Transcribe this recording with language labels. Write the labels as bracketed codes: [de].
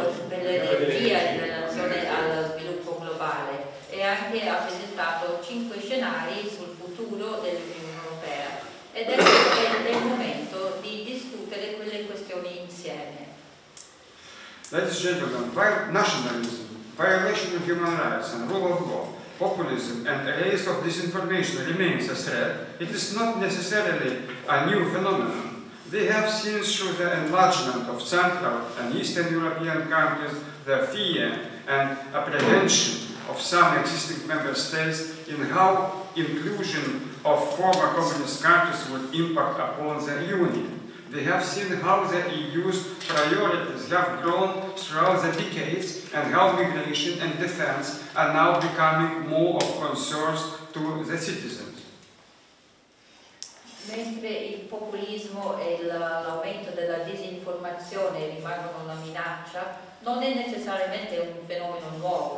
[it] un'energia in relazione allo sviluppo globale, e anche ha presentato cinque scenari sul futuro dell'Unione Europea. Ed è il momento di discutere quelle questioni insieme. [en] Ladies and gentlemen, nationalism, violation of human rights and rule of law, populism and a race of disinformation remains a threat. It is not necessarily a new phenomenon. We have seen through the enlargement of Central and Eastern European countries the fear and apprehension of some existing member states in how inclusion of former communist countries would impact upon the Union. We have seen how the EU's priorities have grown throughout the decades and how migration and defense are now becoming more of concerns to the citizens. [it] Mentre il populismo e l'aumento della disinformazione rimangono una minaccia, non è necessariamente un fenomeno nuovo.